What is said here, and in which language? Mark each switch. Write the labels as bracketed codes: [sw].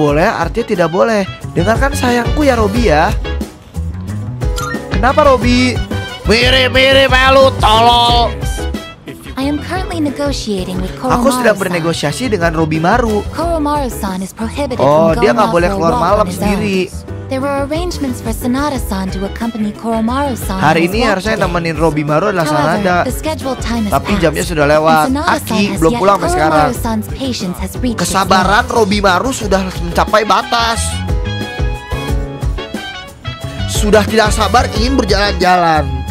[id] Boleh, artinya tidak boleh. Dengarkan sayangku ya, Robi ya. Kenapa, Robi? Mirip-mirip elu, tolol. [en] I am currently negotiating with Koromaru-san. [id] Aku sedang bernegosiasi dengan Robi Maru. [en] Koromaru-san is prohibited from going out for a walk on his own. [id] Oh, dia nggak boleh keluar malam sendiri. [en] There were arrangements for Sanada-san to accompany Koromaru-san. [id] Hari ini harusnya nemenin Robi Maru adalah Sanada. Tapi jamnya sudah lewat. Aki belum pulang sampai sekarang. Kesabaran Robi Maru sudah mencapai batas. Sudah tidak sabar ingin berjalan-jalan.